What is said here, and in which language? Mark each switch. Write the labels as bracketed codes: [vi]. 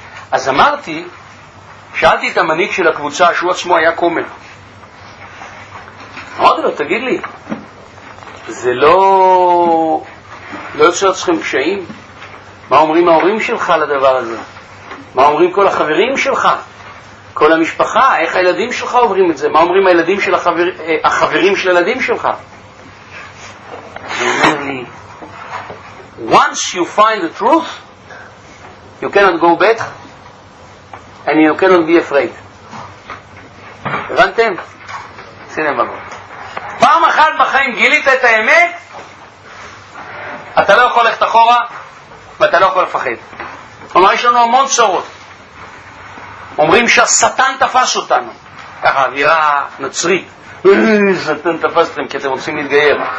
[he] אז אמרתי, שאלתי את המנהיג של הקבוצה שהוא עצמו היה קומר, אמרתי לו, תגיד לי, זה לא יוצר אתכם קשיים? מה אומרים ההורים שלך לדבר הזה? מה אומרים כל החברים שלך? כל המשפחה? איך הילדים שלך עוברים את זה? מה אומרים הילדים של החברים של הילדים שלך? [en] Once you find the truth, you cannot go back and you cannot be afraid. [he] הבנתם? סינם בבוא. פעם אחת בחיים גילית את האמת, אתה לא יכול ללכת אחורה ואתה לא יכול לפחד. כלומר, יש לנו המון צורות. אומרים שהשטן תפס אותנו. ככה, אווירה נוצרית. שטן תפס אתכם כי אתם רוצים להתגייר.